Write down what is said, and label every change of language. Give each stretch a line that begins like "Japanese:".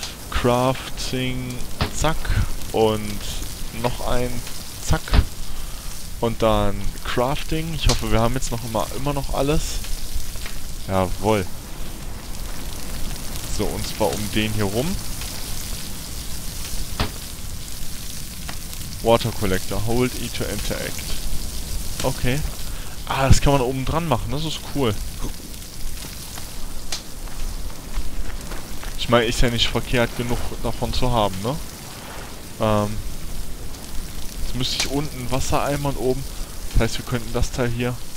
German: Crafting, zack, und noch ein, zack, und dann Crafting. Ich hoffe, wir haben jetzt noch immer noch alles. Jawohl. So, und zwar um den hier rum.
English: Water Collector, hold E to interact. Okay.
German: Ah, das kann man oben dran machen, das ist cool. Ich meine, ist ja nicht verkehrt genug davon zu haben, ne? Jetzt müsste ich unten Wassereimer und oben. Das heißt, wir könnten das Teil hier